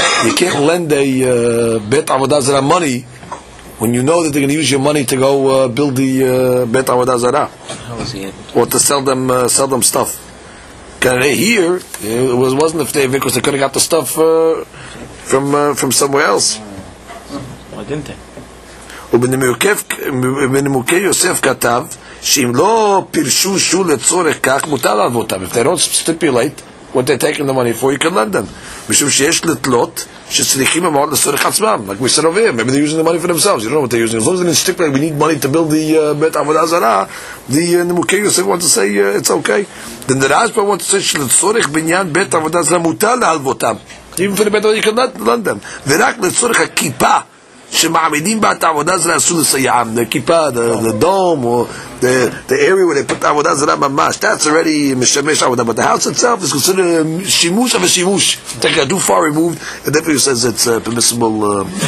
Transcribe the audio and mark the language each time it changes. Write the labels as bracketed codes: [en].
[en] You can't lend a bet Avodah Zarah money when you know that they're going to use your money to go build the Bet Avodah Zarah, or to sell them stuff. Can they hear? It wasn't if they, because they could have got the stuff from somewhere else. Why didn't they? [he] ובנימוקי יוסף כתב שאם לא פירשו שו לצורך כך מותר להלוות אותם. [en] If they don't stipulate what they're taking the money for, you can lend them. [he] משום שיש לתלות שצריכים מאוד לצורך עצמם. [en] Like we said over here, maybe they're using the money for themselves. You don't know what they're using. As long as they didn't stipulate, we need money to build the בית עבודה זרה, the נימוקי יוסף wants to say it's okay. Then the Rashba wants to say [he] שלצורך בניין בית עבודה זרה מותר להלוות אותם. [en] Even for the better, you can lend them. [he] ורק לצורך הכיפה שמעמידים בה את העבודה זרה עשו לסייעם, [en] the kippa, the dome, or the area where they put the [he] עבודה זרה ממש, [en] that's already משמש עבודה, but the house itself is considered שימוש of a שימוש, take a too far removed, and therefore he says it's permissible.